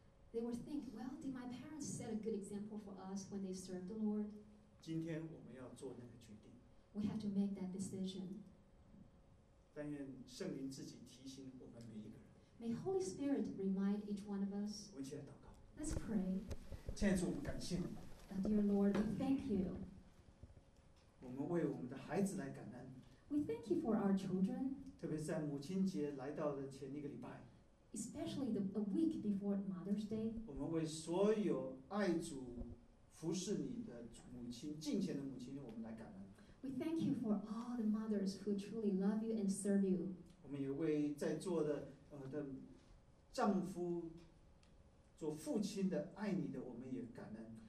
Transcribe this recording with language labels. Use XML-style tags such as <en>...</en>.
<en>They were thinking, well, did my parents set a good example for us when they served the Lord?</en> <zh>今天我们要做那个决定。</zh> <en>We have to make that decision.</en> <zh>但愿圣灵自己提醒我们每一个人。</zh> <en>May Holy Spirit remind each one of us.</en> <zh>我们起来祷告。</zh> <en>Let's pray.</en> <zh>亲爱的主，我们感谢你。</zh> <en>Dear Lord, we thank you.</en> <zh>我们为我们的孩子来感恩。</zh> <en>We thank you for our children.</en> <zh>特别在母亲节来到的前一个礼拜。</zh> <en>Especially a week before Mother's Day.</en> <zh>我们为所有爱主、服侍你的母亲、敬虔的母亲，我们来感恩。</zh> <en>We We thank you for all the mothers who truly love you and serve you.</en> <zh>我们也为在座的的丈夫做父亲的爱你的，我们也感恩。</zh>